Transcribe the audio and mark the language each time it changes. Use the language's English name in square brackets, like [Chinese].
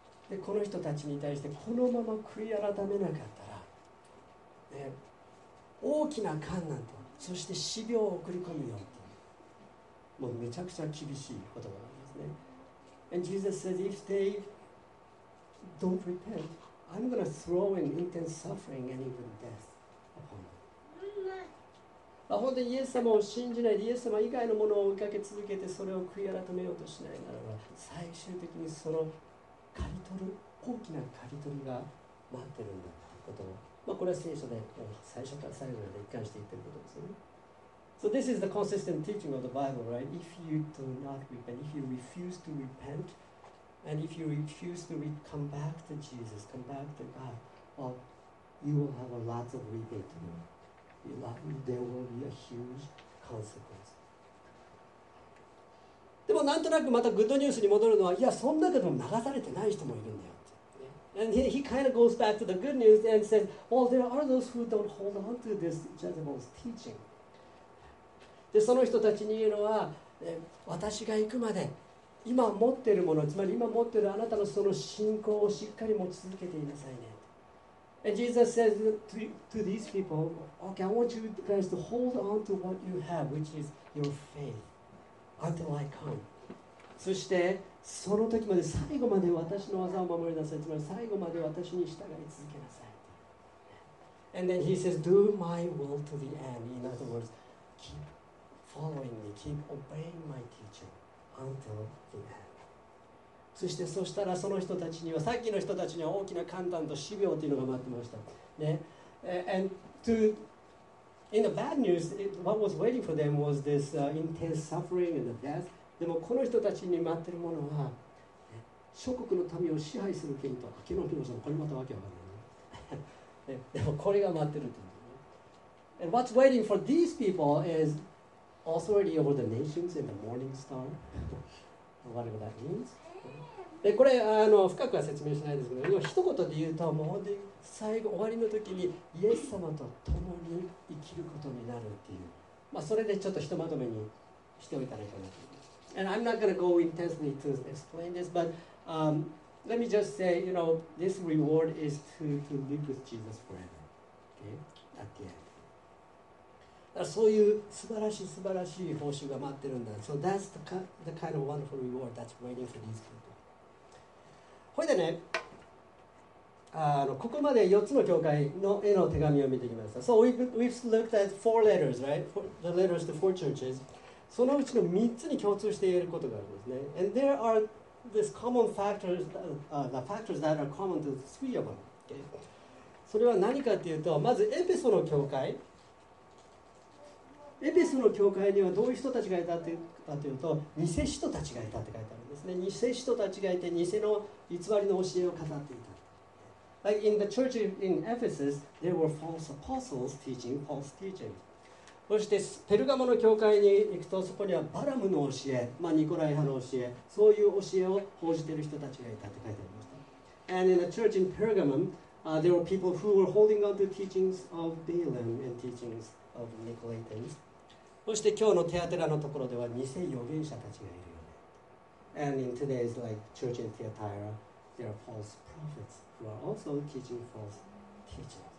[Japanese] でこの人たちに対してこのまま悔い改めなかったら、ね、大きな患難とそして死病を送り込むよと、もうめちゃくちゃ厳しい言葉なんですね。 [English] And Jesus said if they don't repent I'm going to throw in intense suffering and even death upon them. [Japanese] 本当にイエス様を信じないでイエス様以外のものを追いかけ続けてそれを悔い改めようとしないならば、最終的にその刈り取る、大きな刈り取りが待ってるんだということを、まあ、これは聖書で最初から最後まで一貫して言ってることですよね。 [English] So this is the consistent teaching of the Bible, right? If you do not repent, if you refuse to repent, and if you refuse to come back to Jesus, come back to God, well, you will have a lot of reaping to do. There will be a huge consequence. [Japanese] でもなんとなくまたグッドニュースに戻るのは、いや、そんなことも流されてない人もいるんだよって。 [English] And he kind of goes back to the good news and says, well, there are those who don't hold on to this Jezebel's teaching. [Japanese] で、その人たちに言うのは、私が行くまで、今持っているもの、つまり今持っているあなたのその信仰をしっかり持ち続けていなさいね。 [English] And Jesus says to these people, okay, I want you guys to hold on to what you have, which is your faith. Until I come. [Japanese] そしてその時まで最後まで私の技を守りなさい、つまり最後まで私に従い続けなさい。 [English] And then he says do my will to the end. In other words keep following me, keep obeying my teaching until the end. [Japanese] そしてそしたらその人たちには、さっきの人たちには大きな患難と死病というのが待ってました、ね、 [English] And toIn the bad news, what was waiting for them was this intense suffering and the death. [Japanese] でもこの人たちに待ってるものは、諸国の民を支配する権と明けの神様、これまたわけわかんないね。でもこれが待ってるって、ね、 [English] And what's waiting for these people is authority over the nations and the morning star. Whatever that means. [Japanese] でこれあの深くは説明しないですけど、今一言で言うと、もう最後終わりの時にイエス様と共に生きることになるっていう、まあ、それでちょっとひとまとめにしておいたらいいかなと。 [English] And I'm not going to go intensely to explain this, but let me just say, you know, this reward is to live with Jesus forever. Okay? At the end. [Japanese] そういう素晴らしい素晴らしい報酬が待ってるんだ。 [English] So that's the kind of wonderful reward that's waiting for these people. [Japanese] ほいでね、ここまで4つの教会の絵の手紙を見てきました。 [English] So we've looked at four letters, right? The letters to four churches. [Japanese] そのうちの3つに共通して言えることがあるんですね。 [English] And there are these common factors, the factors that are common to the three of them.、Okay? [Japanese] それは何かというと、まずエペソの教会。エペソの教会にはどういう人たちがいたかというと、偽使徒たちがいたって書いてあるんですね。偽使徒たちがいて、偽の偽りの教えを語っていた。 [English] Like in the church in Ephesus, there were false apostles teaching false teaching. [Japanese] そしてペルガモの教会に行くと、そこにはバラムの教え、まあ、ニコライ派の教え、そういう教えを報じている人たちがいたって書いてありました。 [English] And in the church in Pergamum, there were people who were holding on to teachings of Balaam and teachings of Nicolaitans. [Japanese] そして今日のテアテラのところでは偽預言者たちがいるよね。 [English] And in today's like church in Thyatira, there are false prophets who are also teaching false teachings.